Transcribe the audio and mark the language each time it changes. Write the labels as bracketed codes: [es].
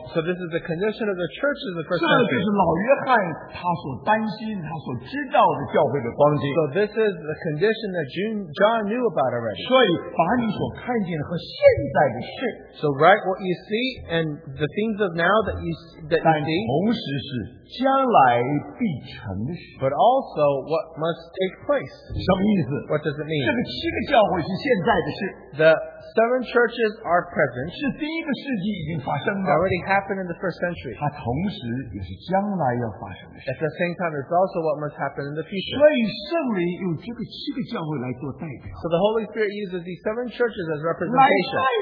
[en] So this is the condition of the church in the first century. [zh] 这就是老约翰他所担心他所知道的教会的光景. [en] So this is the condition that John knew about already. [zh] 所以把你所看见和现在的事, [en] so write what you see and the things of now that you see. [zh] 将来必成的事, [en] but also what must take place. [zh] 什么意思? [en] What does it mean? [zh] 这个七个教会是现在的事, [en] the seven churches are present, [zh] 是第一个世纪已经发生的, [en] already happened in the first century. At the same time, it's also what must happen in the future. So the Holy Spirit uses these seven churches as representation.